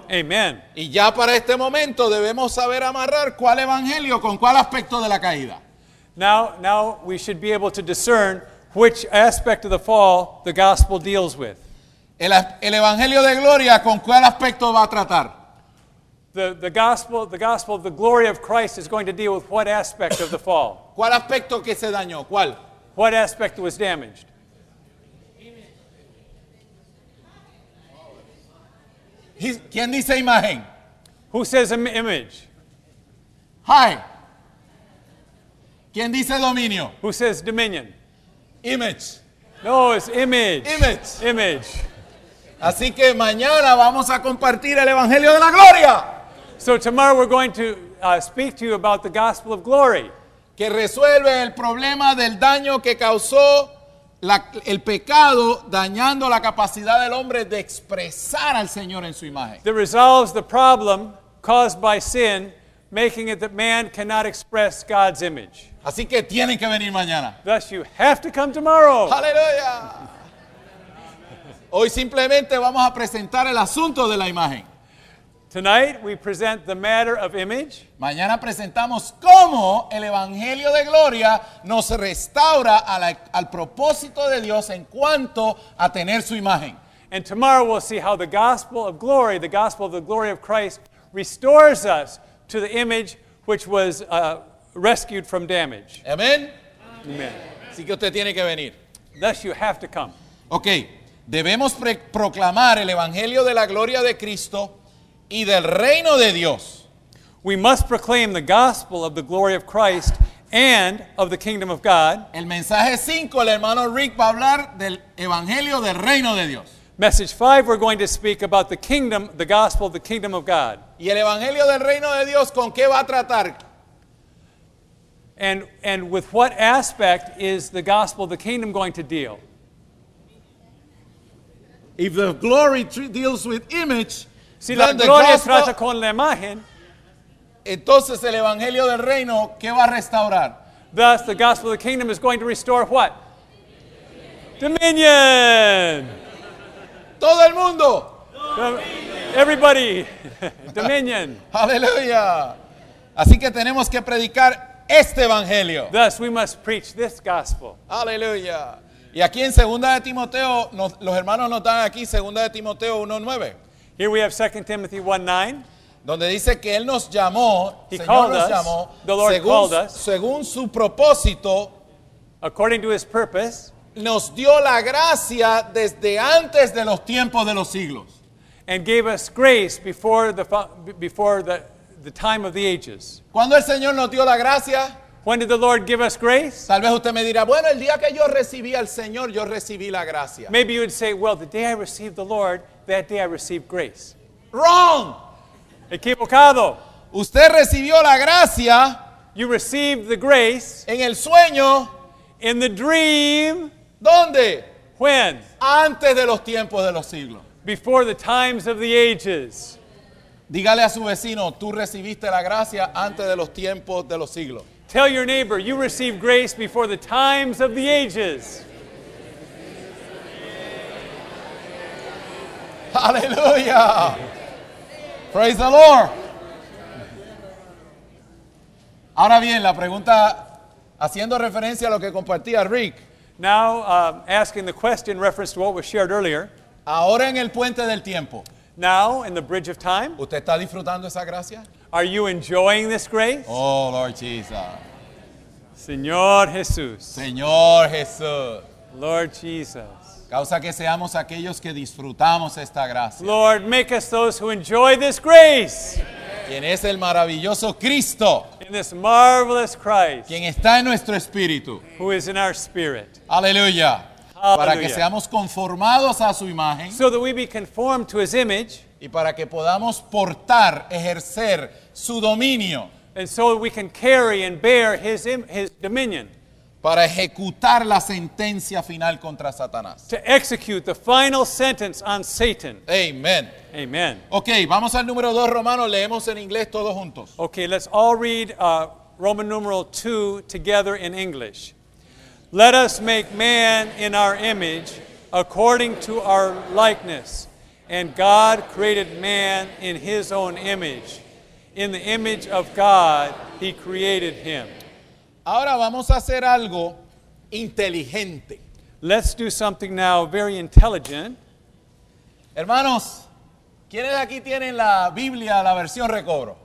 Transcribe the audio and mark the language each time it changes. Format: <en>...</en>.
<es>Amen. Y ya para este momento debemos saber amarrar cuál evangelio con cuál aspecto de la caída.</es> <en>Now we should be able to discern which aspect of the fall the gospel deals with.</en> <es>El evangelio de gloria con cuál aspecto va a tratar.</es> <en>The gospel of the glory of Christ is going to deal with what aspect of the fall.</en> <es>¿Cuál aspecto que se dañó? ¿Cuál?</es> <en>What aspect was damaged?</en> <es>¿Quién dice imagen?</es> <en>Who says image?</en> <es>Hi. ¿Quién dice dominio?</es> <en>Who says dominion? Image. No, it's image. Image. Image.</en> <es>Así que mañana vamos a compartir el Evangelio de la Gloria.</es> <en>So tomorrow we're going to speak to you about the Gospel of Glory.</en> <es>Que resuelve el problema del daño que causó el pecado dañando la capacidad del hombre de expresar al Señor en su imagen.</es> <en>That resolves the problem caused by sin, making it that man cannot express God's image.</en> <es>Así que tienen que venir mañana.</es> <en>Thus you have to come tomorrow.</en> <es>Aleluya. Hoy simplemente vamos a presentar el asunto de la imagen.</es> <en>Tonight we present the matter of image.</en> <es>Mañana presentamos cómo el Evangelio de Gloria nos restaura al propósito de Dios en cuanto a tener su imagen.</es> <en>And tomorrow we'll see how the Gospel of Glory, the Gospel of the Glory of Christ, restores us to the image which was rescued from damage. Amen. Amen. Amen.</en> <es>Así que usted tiene que venir.</es> <en>Thus you have to come. Okay.</en> <es>Debemos proclamar el Evangelio de la Gloria de Cristo y del reino de Dios.</es> <en>We must proclaim the gospel of the glory of Christ and of the kingdom of God.</en> <es>El mensaje 5, el hermano Rick va a hablar del evangelio del reino de Dios.</es> <en>Message 5, we're going to speak about the kingdom, the gospel of the kingdom of God.</en> <es>¿Y el evangelio del reino de Dios con qué va a tratar?</es> <en>And with what aspect is the gospel of the kingdom going to deal? If the glory deals with image,</en> <es>si la gloria trata con la imagen, entonces el evangelio del reino, ¿qué va a restaurar?</es> <en>Thus, the gospel of the kingdom is going to restore what? Dominion.</en> <es>Todo el mundo.</es> <en>Everybody. Dominion. Hallelujah.</en> <es>Así que tenemos que predicar este evangelio.</es> <en>Thus, we must preach this gospel. Hallelujah.</en> <es>Y aquí en 2 de Timoteo, los hermanos nos dan aquí 2 de Timoteo 1:9.</es> <en>Here we have 2 Timothy 1:9.</en> <es>Donde dice que él nos llamó,</es> <en>he</en> <es>Señor</es> <en>called</en> <es>nos</es> <en>us,</en> <es>llamó,</es> <en>the Lord</en> <es>según,</es> <en>called us,</en> <es>según su propósito,</es> <en>according to his purpose,</en> <es>nos dio la gracia desde antes de los tiempos de los siglos.</es> <en>And gave us grace before the time of the ages.</en> <es>¿Cuándo el Señor nos dio la gracia?</es> <en>When did the Lord give us grace?</en> <es>Tal vez usted me dirá, bueno, el día que yo recibí al Señor, yo recibí la gracia.</es> <en>Maybe you would say, well, the day I received the Lord, that day I received grace. Wrong!</en> <es>Equivocado. Usted recibió la gracia.</es> <en>You received the grace.</en> <es>En el sueño.</es> <en>In the dream.</en> <es>¿Dónde?</es> <en>When?</en> <es>Antes de los tiempos de los siglos.</es> <en>Before the times of the ages.</en> <es>Dígale a su vecino, tú recibiste la gracia antes de los tiempos de los siglos.</es> <en>Tell your neighbor, you received grace before the times of the ages. Hallelujah. Praise the Lord.</en> <es>Ahora bien, la pregunta, haciendo referencia a lo que compartía Rick.</es> <en>Now, asking the question in reference to what was shared earlier.</en> <es>Ahora en el puente del tiempo.</es> <en>Now, in the bridge of time.</en> <es>¿Usted está disfrutando esa gracia?</es> <en>Are you enjoying this grace? Oh, Lord Jesus.</en> <es>Señor Jesús. Señor Jesús.</es> <en>Lord Jesus.</en> <es>Causa que seamos aquellos que disfrutamos esta gracia.</es> <en>Lord, make us those who enjoy this grace.</en> <es>Quien es el maravilloso Cristo.</es> <en>In this marvelous Christ.</en> <es>Quien está en nuestro espíritu.</es> <en>Who is in our spirit.</en> <es>Aleluya.</es> <en>Hallelujah.</en> <es>Para que seamos conformados a su imagen.</es> <en>So that we be conformed to his image.</en> <es>Y para que podamos portar, ejercer su dominio.</es> <en>And so we can carry and bear his dominion.</en> <es>Para ejecutar la sentencia final contra Satanás.</es> <en>To execute the final sentence on Satan. Amen. Amen.</en> <es>Okay, vamos al número 2 romano. Leemos en inglés todos juntos.</es> <en>Okay, let's all read Roman numeral 2 together in English. Let us make man in our image, according to our likeness. And God created man in his own image. In the image of God, he created him.</en> <es>Ahora vamos a hacer algo inteligente.</es> <en>Let's do something now very intelligent.</en> <es>Hermanos, ¿quiénes aquí tienen la Biblia, la versión Recobro?</es>